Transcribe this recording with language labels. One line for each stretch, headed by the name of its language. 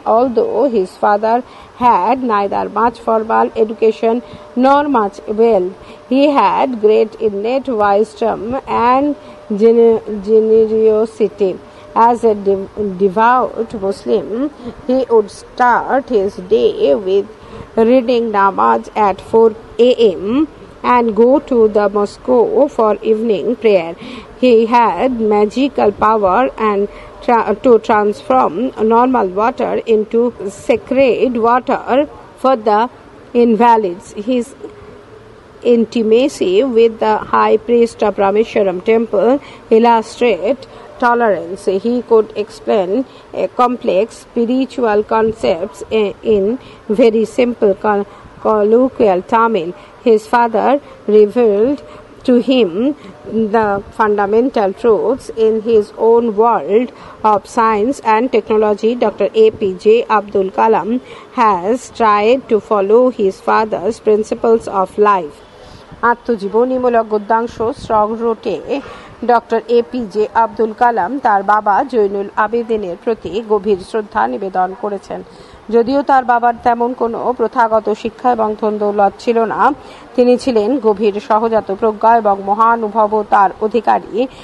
English: Although his father had neither much formal education nor much wealth, he had great innate wisdom and generosity. As a devout Muslim, he would start his day with reading নামাজ at 4 AM and go to the mosque for evening prayer. He had magical power and to transform normal water into sacred water for the invalids. His intimacy with the high priest of Rameshwaram temple illustrate tolerance. He could explain a complex spiritual concepts in very simple colloquial Tamil. His father revealed to him the fundamental truths in his own world of science and technology. Dr. APJ Abdul Kalam has tried to follow his father's principles of life.
Bangla: আত্মজীবনীমূলক গদ্যাংশ strong রোডে doctor APJ Abdul Kalam তার বাবা জৈনুল আবেদিনের প্রতি গভীর শ্রদ্ধা নিবেদন করেছেন। যদিও তার বাবার তেমন কোনো প্রথাগত শিক্ষা এবং ধনদৌলত ছিল না, তিনি ছিলেন গভীর সহজাত প্রজ্ঞা এবং মহানুভবতার অধিকারী।